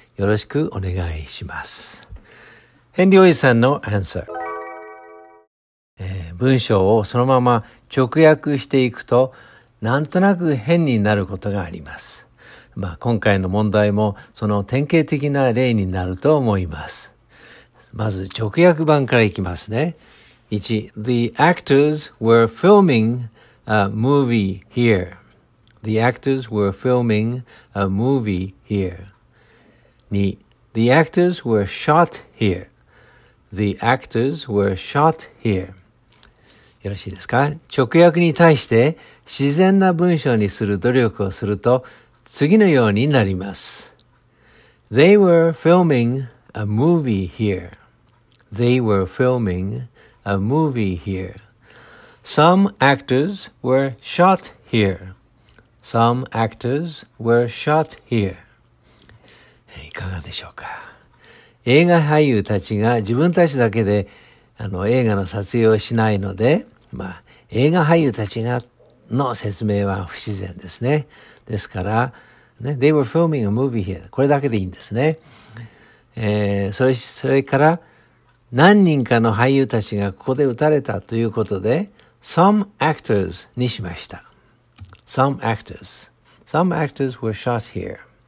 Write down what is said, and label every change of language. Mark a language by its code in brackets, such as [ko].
[ja] よろしくお願いします。ヘンリー・オイさんのアンサー、文章をそのまま直訳していくとなんとなく変になることがあります。今回の問題もその典型的な例になると思います。まず直訳版からいきますね。 1. [en] The actors were filming a movie hereThe actors were filming a movie here. 2. The actors were shot here. The actors were shot here. [ja] よろしいですか？直訳に対して自然な文章にする努力をすると次のようになります。 [en] They were filming a movie here. They were filming a movie here. Some actors were shot here. Some actors were shot here. [ja] いかがでしょうか？映画俳優たちが自分たちだけで映画の撮影をしないので、映画俳優たちがの説明は不自然ですね。ですから、ね、 [en] They were filming a movie here. [ja] これだけでいいんですね。それから、何人かの俳優たちがここで撃たれたということで、 [en] Some actors [ja] にしました。 [en] Some actors were shot here.